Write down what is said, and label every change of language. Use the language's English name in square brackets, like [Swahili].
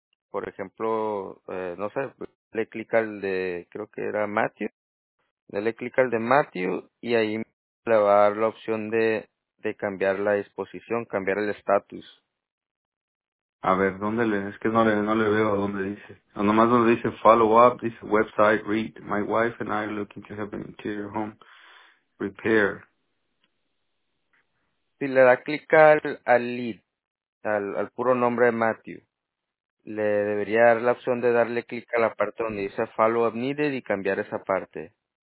[Spanish] Por ejemplo, no sé, le clic al de, creo que era Matthew. Dele clic al de Matthew y ahí le va a dar la opción de cambiar la disposición, cambiar el estatus. A ver, ¿dónde le? Es que no le veo a dónde dice. O nomás donde dice follow up, dice website, read. [English] My wife and I are looking to have an interior home repair. [Spanish] Si le da clic al lead, al puro nombre de Matthew, le debería dar la opción de darle clic a la parte donde dice follow up needed y cambiar esa parte.